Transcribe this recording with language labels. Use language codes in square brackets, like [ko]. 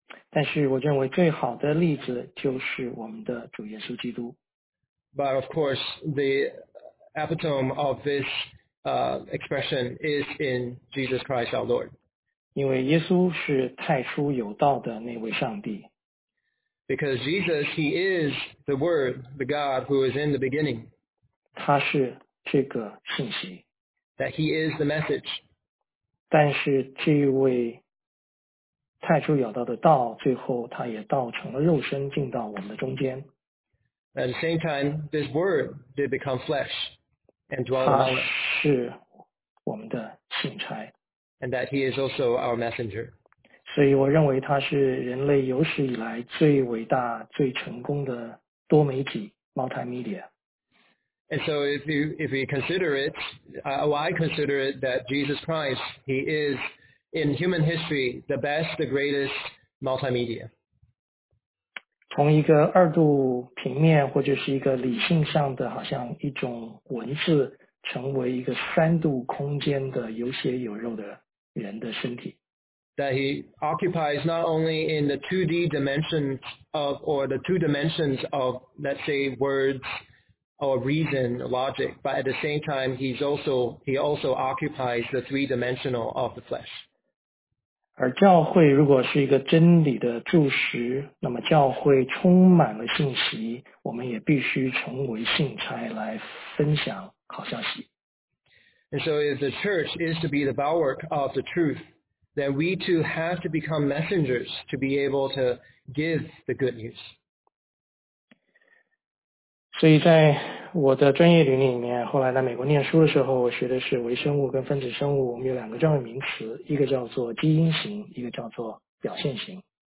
[zh] 但是我认为最好的例子就是我们的主耶稣基督。 [en] But of course, the epitome of this expression is in Jesus Christ our Lord. [zh] 因为耶稣是太初有道的那位上帝。 [en] Because Jesus, he is the Word, the God who is in the beginning. [zh] 他是这个信息。 [en] That he is the message. [zh] 但是这位太初有道的道，最后他也道成了肉身，进到我们的中间。 [en] At the same time, this word did become flesh and dwell among us. [zh] 他是我们的信差。 [en] And that he is also our messenger. [zh] 所以我认为他是人类有史以来最伟大、最成功的多媒体 （multimedia）。 [en] And so if we consider it, I consider it that Jesus Christ, he is, in human history, the best, the greatest multimedia. [zh] 从一个二度平面或者是一个理性上的好像一种文字成为一个三度空间的有血有肉的人的身体。 [en] That he occupies not only in the 2D dimension of, or the two dimensions of, let's say, words or reason, logic, but at the same time, he also occupies the three dimensional of the flesh. [zh] 而教会如果是一个真理的柱石，那么教会充满了信息，我们也必须成为信差来分享好消息。 [en] And so if the church is to be the bulwark of the truth,that we too have to become messengers to be able to give the good news. [zh] 所以在我的专业领域里面，后来在美国念书的时候，我学的是微生物跟分子生物，我们有两个专业名词，一个叫做基因型，一个叫做表现型。